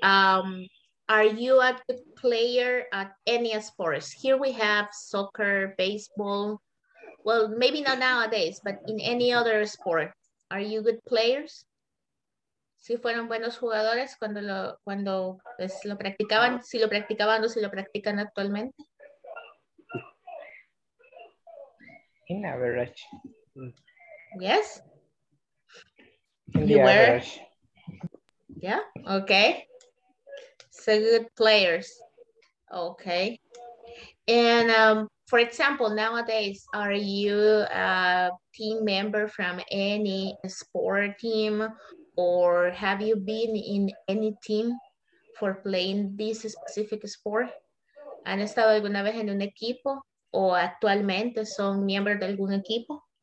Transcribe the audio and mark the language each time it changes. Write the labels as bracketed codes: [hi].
[en] Are you a good player at any sports? Here we have soccer, baseball. Well, maybe not nowadays, but in any other sport. Are you good players? [es] Si fueron buenos jugadores cuando lo practicaban, si lo practicaban o si lo practican actualmente. [en] In average. Yes. In the average. Yeah. Okay. So good players. Okay. And For example, nowadays, are you a team member from any sport team, or have you been in any team for playing this specific sport? [es] ¿Han estado alguna vez en un equipo o actualmente son miembros de algún equipo?